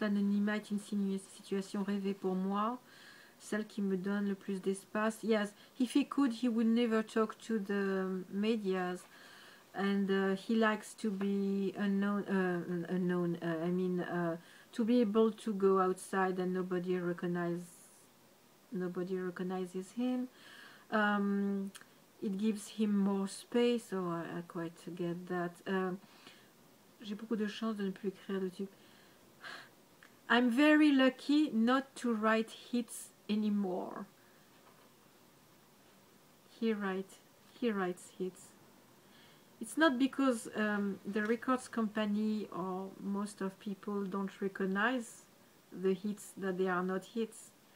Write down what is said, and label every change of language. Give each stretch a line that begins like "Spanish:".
French: L'anonymat est une situation rêvée pour moi, celle qui me donne le plus d'espace.
English: Yes, if he could, he would never talk to the medias. And he likes to be to be able to go outside and nobody recognizes him. It gives him more space. Oh, I quite get that.
French: J'ai beaucoup de chance de ne plus écrire de tube.
English: I'm very lucky not to write hits anymore. He writes hits. It's not because the records company or most of people don't recognize the hits that they are not hits.